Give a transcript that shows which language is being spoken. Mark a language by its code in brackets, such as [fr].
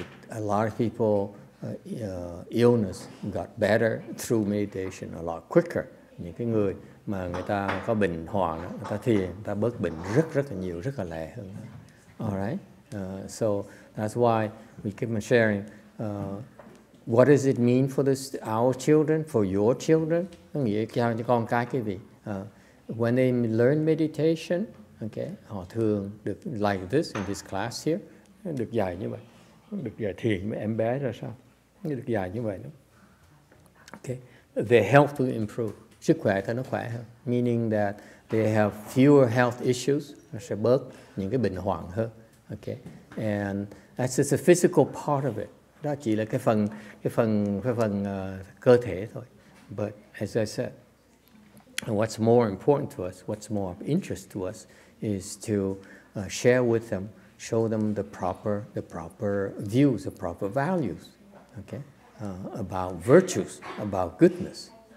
[en] A lot of people illness got better through meditation a lot quicker. [vi] Những cái người mà người ta có bệnh hoạn, người ta thiền, người ta bớt bệnh rất rất là nhiều, rất là lẹ hơn. [en] All right. So that's why we keep on sharing. What does it mean for this, our children, for your children? [vi] Có nghĩa cho con cái quý vị. [en] When they learn meditation, okay, [vi] họ thường được [en] like this in this class here, [vi] được dạy như vậy, được dạy thiền với em bé ra sao, được dạy như vậy đó. [en] Okay, their health will improve, [vi] sức khỏe thì nó khỏe hơn, [en] meaning that they have fewer health issues, [vi] nó sẽ bớt những cái bệnh hoạn hơn. [en] Okay, and that's just a physical part of it, [vi] đó chỉ là cái phần cơ thể thôi. [en] But as I said, and what's more important to us, what's more of interest to us, is to share with them, show them the proper views, the proper values, okay, about virtues, about goodness.